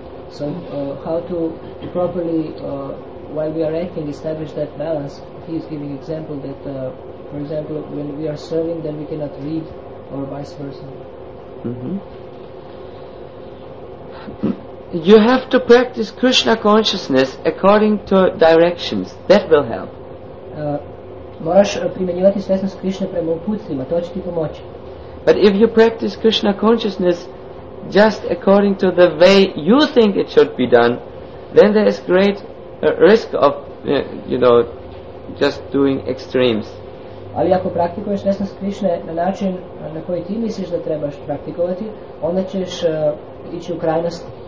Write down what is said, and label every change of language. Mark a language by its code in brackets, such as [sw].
[en] So how to properly, while we are acting, establish that balance? He is giving example that, for example, when we are serving, then we cannot read, or vice versa. You have to practice Krishna consciousness according to directions. That will help. [sr] Moraš primjenjivati svjesnost Krishna prema uputstvima, to će ti pomoći. [en] But if you practice Krishna consciousness just according to the way you think it should be done, then there is great risk of, you know, just doing extremes. [sr] Ali ako praktikuješ svjesnost Krishna na način na koji ti misliš da trebaš praktikovati, onda ćeš ići u krajnosti.